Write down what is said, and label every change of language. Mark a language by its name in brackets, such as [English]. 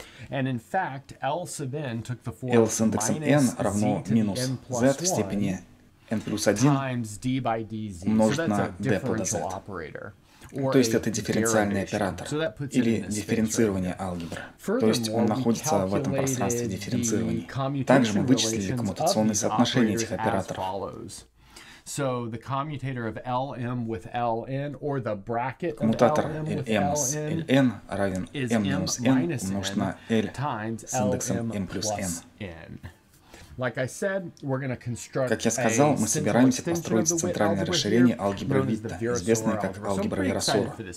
[Russian] L с индексом n равно минус z в степени n плюс 1 умножить на d под z. То есть это дифференциальный оператор, или дифференцирование алгебры. То есть он находится в этом пространстве дифференцирования. Также мы вычислили коммутационные соотношения этих операторов. [English] So the commutator of Lm with Ln, or the bracket of Lm with Ln, [Russian] равен m минус n умножить на l с индексом m плюс n. Как я сказал, мы собираемся построить центральное расширение алгебры Витта, известное как алгебра Вирасора.